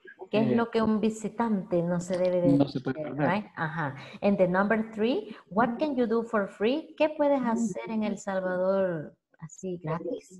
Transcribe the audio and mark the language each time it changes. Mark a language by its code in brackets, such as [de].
[es] ¿Qué es lo que un visitante no se debe de no se puede perder, [en] right? Uh-huh. And the number three, what can you do for free? [es] ¿Qué puedes hacer en El Salvador así gratis?